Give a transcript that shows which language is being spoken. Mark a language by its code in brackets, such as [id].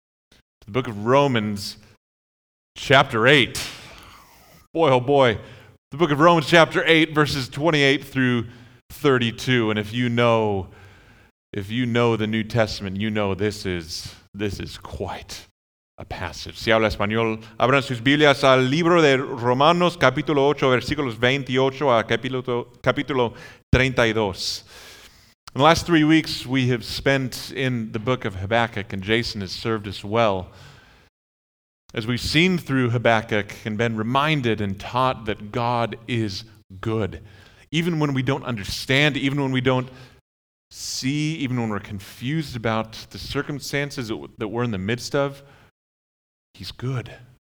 [en] To the book of Romans, chapter 8. Boy oh boy, the book of Romans, chapter 8, verses 28 through 32. And if you know the New Testament, you know this is quite a passage. [es] Si habla español, abran sus Biblias al libro de Romanos, capítulo 8, versículos 28 a capítulo 32. [en] In the last 3 weeks, we have spent in the book of Habakkuk, and Jason has served us well. As we've seen through Habakkuk and been reminded and taught that God is good, even when we don't understand, even when we don't see, even when we're confused about the circumstances that we're in the midst of, He's good.